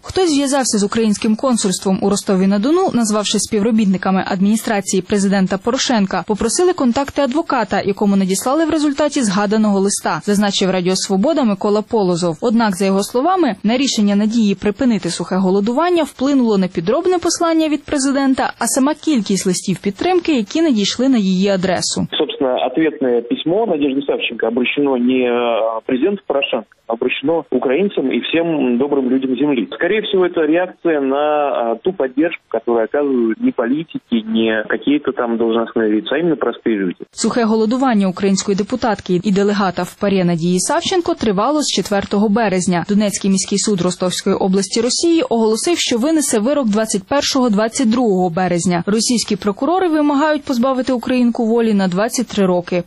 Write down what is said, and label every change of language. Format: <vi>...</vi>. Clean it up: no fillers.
<uk>Хтось зв'язався з українським консульством у Ростові-на-Дону, назвавши співробітниками адміністрації президента Порошенка, попросили контакти адвоката, якому надіслали в результаті згаданого листа, зазначив Радіо Свобода Микола Полозов. Однак, за його словами, на рішення Надії припинити сухе голодування вплинуло не підробне послання від президента, а сама кількість листів підтримки, які надійшли на її адресу.</uk> <ru>Ответное письмо Надежды Савченко обращено не президенту Порошенко, а обращено украинцам и всем добрым людям земли. Скорее всего, это реакция на ту поддержку, которую оказывают не политики, не какие-то там должностные лица, а именно простые люди.</ru> <uk>Сухе голодування української депутатки і делегата в ПАРЄ Надії Савченко тривало з 4 березня. Донецький міський суд Ростовської області Росії оголосив, що винесе вирок 21-22 березня. Російські прокурори вимагають позбавити українку волі на 23 роки.</uk>